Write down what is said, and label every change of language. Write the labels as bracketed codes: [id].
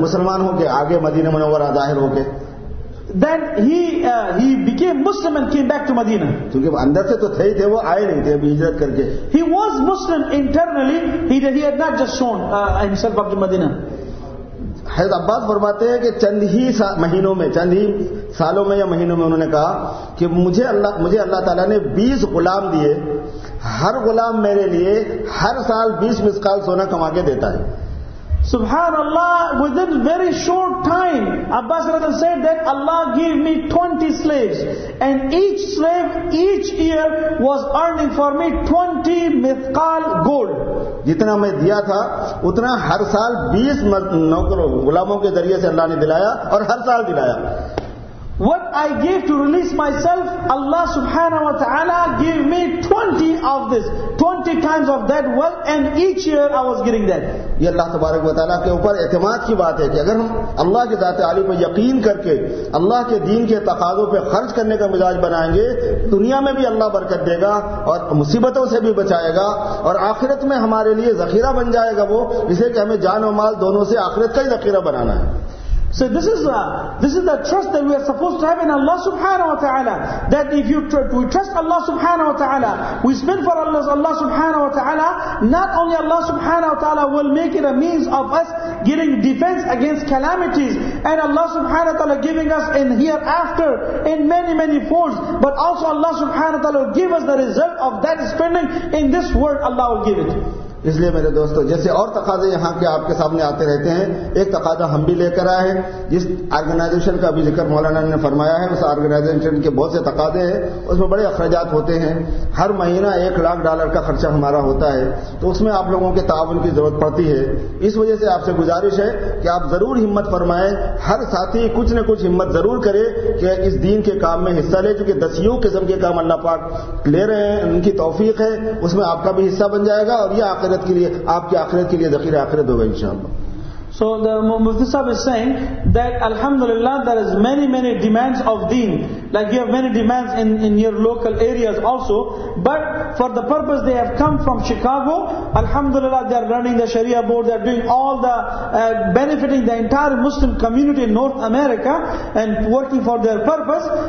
[ur] مسلمان ہو کے آگے مدینہ منورہ ظاہر ہو کے [en] then he became Muslim and came back to Medina [ur] کیونکہ وہ اندر سے تو تھے ہی تھے وہ آئے نہیں تھے ابھی ہجرت کر کے [en] he was Muslim internally he had not just shown himself up to Medina [ur] حضرت عباس فرماتے ہیں کہ چند ہی مہینوں میں چند ہی سالوں میں یا مہینوں میں انہوں نے کہا کہ مجھے اللہ تعالیٰ نے 20 غلام دیے، ہر غلام میرے لیے ہر سال 20 مثقال سونا کما کے دیتا ہے. [en] سبحان اللہ، within very short time Abbas Radhan said that Allah gave me 20 slaves and each slave each year was earning for me 20 mithqal gold. [ur] جتنا میں دیا تھا اتنا ہر سال 20 نوکروں غلاموں کے ذریعے سے اللہ نے دلایا اور ہر سال دلایا. [en] What I gave to release myself, Allah subhanahu wa ta'ala gave me 20 of this, 20 times of that wealth, and each year I was getting that. [ur] یہ اللہ تبارک و تعالیٰ کے اوپر اعتماد کی بات ہے کہ اگر ہم اللہ کے ذات عالی پر یقین کر کے اللہ کے دین کے تقاضوں پہ خرچ کرنے کا مزاج بنائیں گے، دنیا میں بھی اللہ برکت دے گا اور مصیبتوں سے بھی بچائے گا اور آخرت میں ہمارے لیے ذخیرہ بن جائے گا وہ، جسے کہ ہمیں جان و مال دونوں سے آخرت کا ہی ذخیرہ بنانا ہے. [en] So this is the trust that we are supposed to have in Allah subhanahu wa ta'ala. That if we trust Allah subhanahu wa ta'ala, we spend for Allah subhanahu wa ta'ala, not only Allah subhanahu wa ta'ala will make it a means of us getting defense against calamities, and Allah subhanahu wa ta'ala giving us in hereafter in many, many forms, but also Allah subhanahu wa ta'ala will give us the result of that spending in this world. Allah will give it. [ur] اس لیے میرے دوستو، جیسے اور تقاضے یہاں کے آپ کے سامنے آتے رہتے ہیں، ایک تقاضا ہم بھی لے کر آئے ہیں جس آرگنائزیشن کا بھی ذکر مولانا نے فرمایا ہے. اس آرگنائزیشن کے بہت سے تقاضے ہیں، اس میں بڑے اخراجات ہوتے ہیں، ہر مہینہ $1,00,000 کا خرچہ ہمارا ہوتا ہے، تو اس میں آپ لوگوں کے تعاون کی ضرورت پڑتی ہے. اس وجہ سے آپ سے گزارش ہے کہ آپ ضرور ہمت فرمائیں، ہر ساتھی کچھ نہ کچھ ہمت ضرور کرے کہ اس دین کے کام میں حصہ لے، چونکہ دسیوں قسم کے کام اللہ پاک لے رہے ہیں، ان کی توفیق ہے، اس میں آپ کا بھی حصہ بن جائے گا اور یہ آخرت کے لیے، آپ کی آخرت کے لیے ذخیرہ آخرت ہوگا انشاءاللہ. [en] So the Mufti Sahib is saying that Alhamdulillah there is many, many demands of deen. Like you have many demands in your local areas also. But for the purpose they have come from Chicago, Alhamdulillah they are running the Sharia board, they are doing all the, benefiting the entire Muslim community in North America and working for their purpose.